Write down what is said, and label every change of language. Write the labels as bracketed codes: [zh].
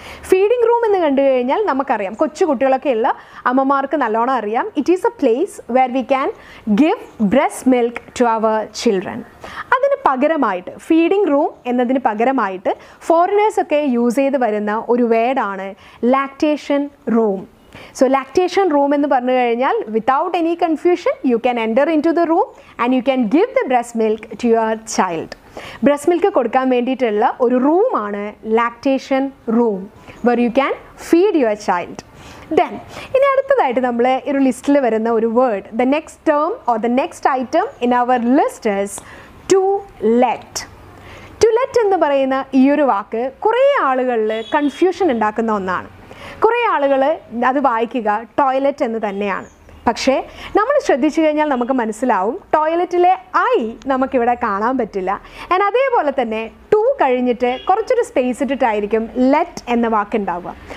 [ml] Feeding room എന്ന് കണ്ടു കഴിഞ്ഞാൽ നമുക്കറിയാം, കൊച്ചുകുട്ടികളൊക്കെയുള്ള അമ്മമാർക്ക് നല്ലോണം അറിയാം, [en] It is a place where we can give breast milk to our children. [ml] അതിന് പകരമായിട്ട്, ഫീഡിംഗ് റൂം എന്നതിന് പകരമായിട്ട് ഫോറിനേഴ്സൊക്കെ യൂസ് ചെയ്ത് വരുന്ന ഒരു വേർഡാണ് lactation room. [en] So lactation room [ml] എന്ന് പറഞ്ഞു കഴിഞ്ഞാൽ [en] without any confusion you can enter into the room and you can give the breast milk to your child. [ml] Breast milk കൊടുക്കാൻ വേണ്ടിയിട്ടുള്ള ഒരു റൂം ആണ് lactation room, [en] where you can feed your child. Then [ml] ഇനി അടുത്തതായിട്ട് നമ്മൾ ഒരു ലിസ്റ്റിൽ വരുന്ന ഒരു word, [en] the next term or the next item in our list is to let. [ml] To let എന്ന് പറയുന്ന ഈ ഒരു വാക്ക് കുറേ ആളുകളിൽ കൺഫ്യൂഷൻ ഉണ്ടാക്കുന്ന ഒന്നാണ്. കുറേ ആളുകൾ അത് വായിക്കുക ടോയ്ലറ്റ് എന്ന് തന്നെയാണ്. പക്ഷേ നമ്മൾ ശ്രദ്ധിച്ചു കഴിഞ്ഞാൽ നമുക്ക് മനസ്സിലാവും ടോയ്ലറ്റിലെ ഐ നമുക്കിവിടെ കാണാൻ പറ്റില്ല. ആൻഡ് അതേപോലെ തന്നെ ടു കഴിഞ്ഞിട്ട് കുറച്ചൊരു സ്പേസ് ഇട്ടിട്ടായിരിക്കും ലെറ്റ് എന്ന വാക്കുണ്ടാവുക.